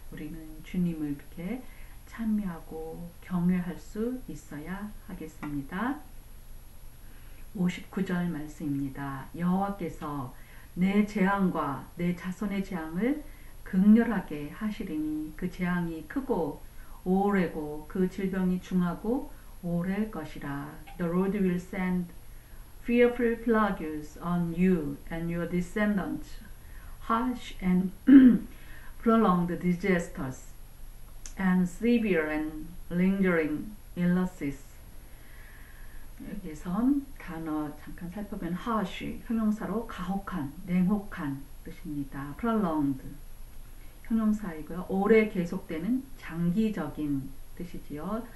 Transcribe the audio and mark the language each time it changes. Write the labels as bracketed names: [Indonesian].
[Korean] 우리는 주님을 이렇게 찬미하고 경외할 수 있어야 하겠습니다. 59절 말씀입니다. 여호와께서 내 재앙과 내 자손의 재앙을 극렬하게 하시리니 그 재앙이 크고 오래고 그 질병이 중하고 오래 것이라. [English] The Lord will send fearful plagues on you and your descendants, harsh and prolonged disasters, and severe and lingering illnesses. [Korean] 여기서 단어 잠깐 살펴보면 harsh, 형용사로 가혹한, 냉혹한 뜻입니다. prolonged, 형용사이고요. 오래 계속되는 장기적인 뜻이지요.